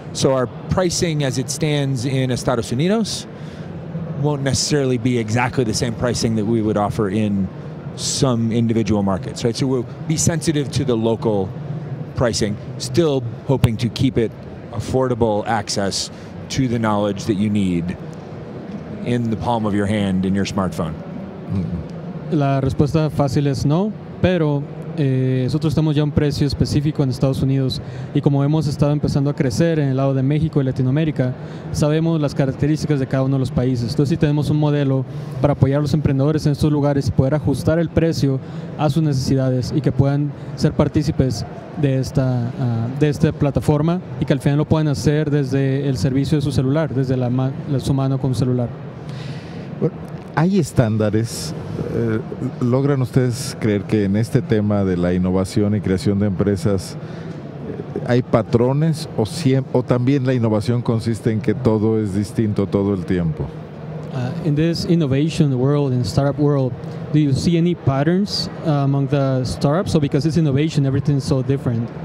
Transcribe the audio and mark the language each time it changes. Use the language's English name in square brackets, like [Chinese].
[English] So our pricing as it stands in Estados Unidos won't necessarily be exactly the same pricing that we would offer in some individual markets, right? So we'll be sensitive to the local pricing, still hoping to keep it affordable access to the knowledge that you need in the palm of your hand in your smartphone. [Spanish] La respuesta fácil es no, pero Nosotros estamos ya a un precio específico en Estados Unidos, y como hemos estado empezando a crecer en el lado de México y Latinoamérica, sabemos las características de cada uno de los países. Entonces, si tenemos un modelo para apoyar a los emprendedores en estos lugares y poder ajustar el precio a sus necesidades y que puedan ser partícipes de esta plataforma, y que al final lo puedan hacer desde el servicio de su celular, desde su mano con su celular. ¿Hay estándares? ¿Logran ustedes creer que en este tema de la innovación y creación de empresas hay patrones, o también la innovación consiste en que todo es distinto todo el tiempo? [English] In this innovation world, in startup world, do you see any patterns among the startups? So because it's innovation, everything is so different.